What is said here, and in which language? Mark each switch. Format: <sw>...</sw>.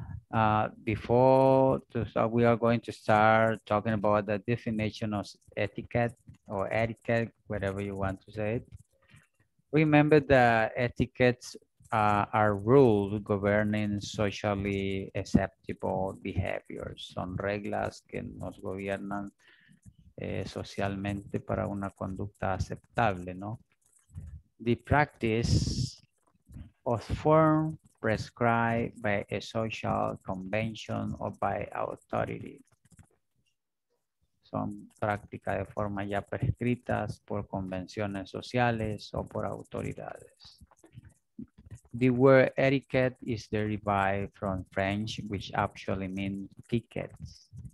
<en>We are going to start talking about the definition of etiquette or etiquette, whatever you want to say it. Remember that etiquettes are rules governing socially acceptable behaviors.</en> <es>Son reglas que nos gobiernan socialmente para una conducta aceptable, ¿no?</es> <en>The practice of form prescribed by a social convention or by authority.</en> <es>Son prácticas de forma ya prescritas por convenciones sociales o por autoridades.</es> <en>The word etiquette is derived from French, which actually means tickets.</en>